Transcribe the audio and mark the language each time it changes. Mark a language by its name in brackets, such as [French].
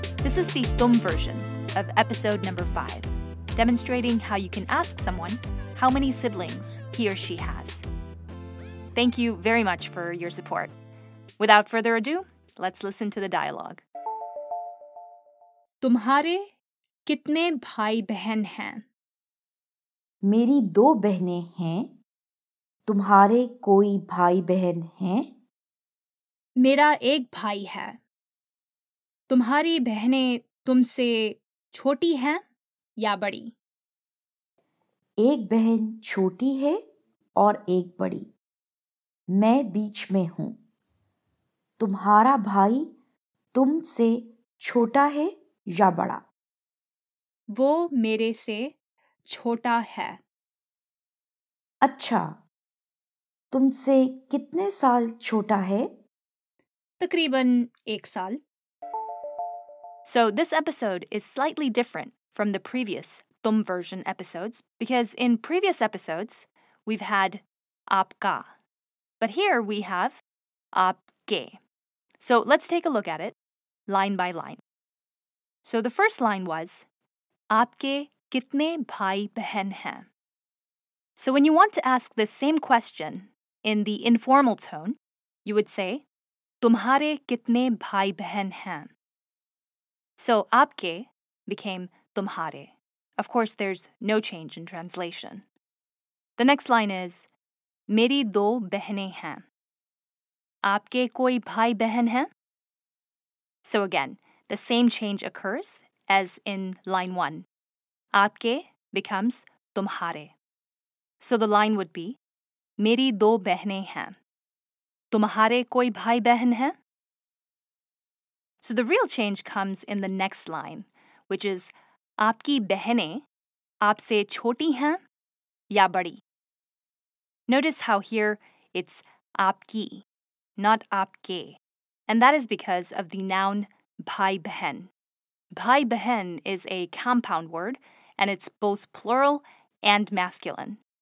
[English] This is the Thum version of episode number 5, demonstrating how you can ask someone how many siblings he or she has. Thank you very much for your support. Without further ado, let's listen to the dialogue. [Hindi] तुम्हारे कितने भाई बहन हैं? मेरी दो बहनें हैं. तुम्हारे कोई भाई बहन हैं? मेरा एक भाई है. तुम्हारी बहनें तुमसे छोटी हैं या बड़ी? एक बहन छोटी है और एक बड़ी. मैं बीच में हूँ. तुम्हारा भाई तुमसे छोटा है या बड़ा? वो मेरे से छोटा है. अच्छा, तुमसे कितने साल छोटा है? तकरीबन एक साल. [English] So this episode is slightly different from the previous Thum version episodes because in previous episodes, we've had आपका, but here we have आपके. So let's take a look at it line by line. So the first line was [Hindi] आपके कितने भाई बहन हैं? [English] So when you want to ask the same question in the informal tone, you would say [Hindi] तुम्हारे कितने भाई बहन हैं? [English] So, आपके became तुम्हारे. Of course, there's no change in translation. The next line is, [Hindi] मेरी दो बहनें हैं. आपके कोई भाई बहन हैं? [English] So again, the same change occurs as in line one. [Hindi] आपके becomes तुम्हारे. [English] So the line would be, [Hindi] मेरी दो बहनें हैं. तुम्हारे कोई भाई बहन हैं? [English] So the real change comes in the next line, which is [Hindi] आपकी बहनें आपसे छोटी हैं या बड़ी? [English] Notice how here it's आपकी, not आपके. And that is because of the noun भाई बहन. भाई बहन is a compound word, and it's both plural and masculine.